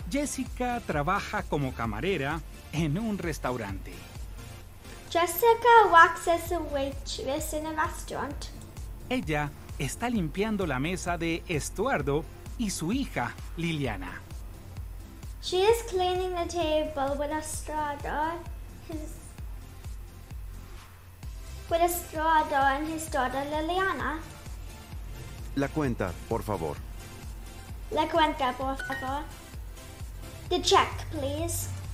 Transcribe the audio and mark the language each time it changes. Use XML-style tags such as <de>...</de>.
<es>Jessica trabaja como camarera en un restaurante.</es> <en>Jessica works as a waitress in a restaurant.</en> <es>Ella está limpiando la mesa de Estuardo y su hija, Liliana.</es> <en>She is cleaning the table with Estuardo. With Estuardo and his daughter, Liliana.</en> <es>La cuenta, por favor. La cuenta, por favor.</es> <en>the check, please?</en>